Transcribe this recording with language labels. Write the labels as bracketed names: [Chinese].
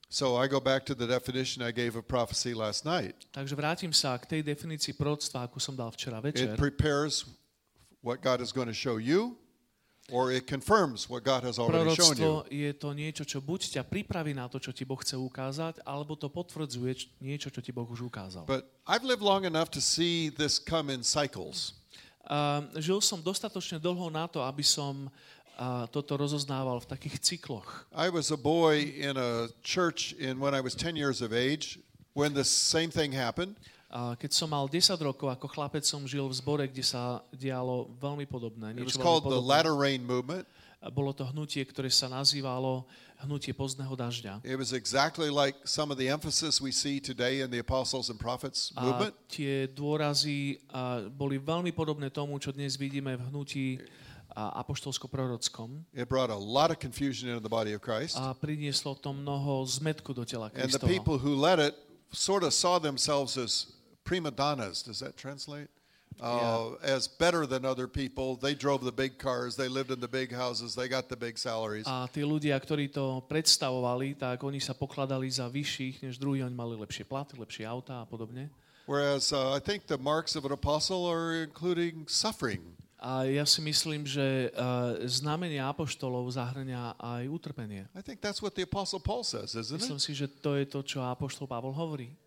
[English] So I go back to the definition I gave of prophecy last night. [Slovak] Takže vrátim sa k tej definícii proroctva, akú som dal včera večer. [English] It prepares what God is going to show you. Or it confirms what God has already shown you. [Slovak] Proroctvo je to niečo, čo buď ťa pripraví na to, čo ti Boh chce ukázať, alebo to potvrdzuje niečo, čo ti Boh už ukázal. [English] But I've lived long enough to see this come in cycles. [Slovak] Žil som dostatočne dlho na to, aby som toto rozoznával v takých cykloch. [English] I was a boy in a church in when I was 10 years of age when the same thing happened. [Slovak] Keď som mal 10 rokov, ako chlapec som žil v zbore, kde sa dialo veľmi podobné. [English] It was called the Latter Rain Movement. [Slovak] Bolo to hnutie, ktoré sa nazývalo hnutie pozdného dažďa. [English] It was exactly like some of the emphasis we see today in the Apostles and Prophets Movement. [Slovak] A tie dôrazy boli veľmi podobné tomu, čo dnes vidíme v hnutí apoštolsko-prorockom. [English] It brought a lot of confusion into the body of Christ. [Slovak] A prinieslo to mnoho zmetku do tela Kristova. [English] And the people who led it sort of saw themselves as prima donnas, does that translate? Yeah. As better than other people. They drove the big cars, they lived in the big houses, they got the big salaries. [Slovak] A tí ľudia, ktorí to predstavovali, tak oni sa pokladali za vyšších než druhí, oni mali lepšie platy, lepšie autá a podobne. [English] Whereas I think the marks of an apostle are including suffering. [Slovak] A ja si myslím, že znamenie apoštolov zahŕňa aj utrpenie. [English] I think that's what the apostle Paul says, isn't it? [Slovak] Myslím si, že to je to, čo apoštol Pavol hovorí.